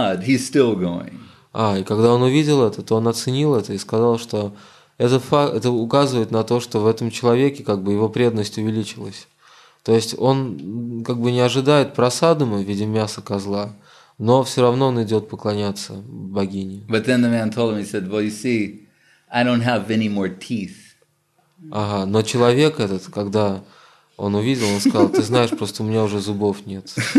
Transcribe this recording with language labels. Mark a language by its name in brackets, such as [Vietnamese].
[Russian] И когда он увидел это, то он оценил это и сказал, что это указывает на то, что в этом человеке как бы его преданность увеличилась. То есть он как бы не ожидает просады в виде мяса козла, но все равно он идет поклоняться богине. [English] But then the man told him, he said, "Well, you see, I don't have any more teeth." [Russian] Ага. Но человек этот, когда он увидел, он сказал: "Ты знаешь, просто у меня уже зубов нет."